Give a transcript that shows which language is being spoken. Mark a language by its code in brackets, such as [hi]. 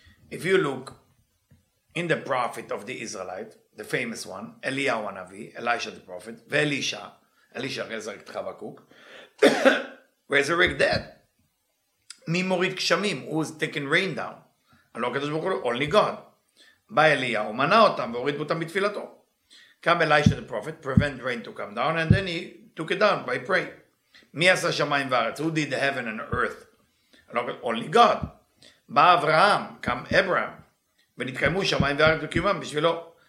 [en] If you look in the prophet of the Israelite, the famous one, אליהו הנביא, אלישע the prophet, ואלישע, אלישע רזרקט חבקוק, resurrect dead. [he] מי מוריד גשמים? [en] Who's taking rain down? [he] הלא הקדוש ברוך הוא, [en] only God. [he] בא אליהו, מנע אותם והוריד אותם בתפילתו. [en] קם אלישע the prophet, prevent rain to come down, and then he took it down by pray. [he] מי עשה שמיים וארץ? [en] Who did heaven and earth? [he] הלא הקדוש, [en] only God. [he] בא אברהם, קם אברהם, ונתקיימו שמיים וארץ וקיומם בשבילו.